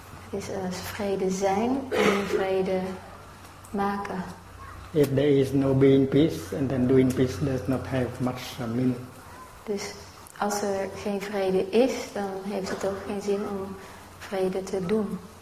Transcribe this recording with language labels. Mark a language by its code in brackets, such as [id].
[nl] Het is als vrede zijn en vrede maken. [en] If there is no being peace, and then doing peace does not have much meaning. [nl] Dus als er geen vrede is, dan heeft het ook geen zin om vrede te doen.